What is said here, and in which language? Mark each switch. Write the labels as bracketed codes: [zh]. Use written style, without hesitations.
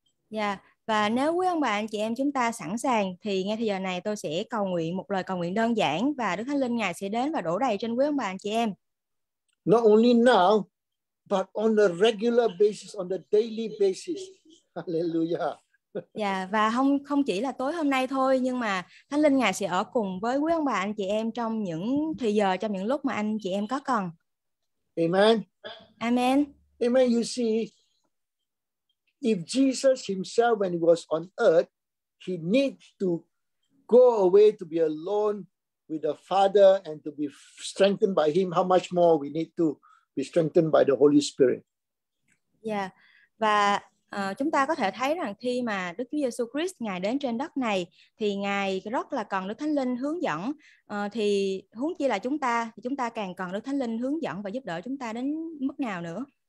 [vi] Yeah, và nếu quý ông bà anh chị em chúng ta sẵn sàng thì ngay thời giờ này tôi sẽ cầu nguyện một lời cầu nguyện đơn giản và Đức Thánh Linh ngài sẽ đến và đổ đầy trên quý ông bà anh chị em. [en] Not only now, but on a regular basis, on a daily basis. Hallelujah. [vi] Yeah, và không chỉ là tối hôm nay thôi, nhưng mà Thánh Linh ngài sẽ ở cùng với quý ông bà anh chị em trong những thời giờ, trong những lúc mà anh chị em có cần. [en] Amen. Amen. Amen. You see, if Jesus himself, when he was on earth, he need to go away to be alone with the Father and to be strengthened by him, how much more we need to be strengthened by the Holy Spirit. Yeah. [vi] Và chúng ta có thể thấy rằng khi mà Đức Chúa Giêsu Christ ngài đến trên đất này thì ngài rất là cần Đức Thánh Linh hướng dẫn, thì huống chi là chúng ta, thì chúng ta càng cần Đức Thánh Linh hướng dẫn và giúp đỡ chúng ta đến mức nào nữa.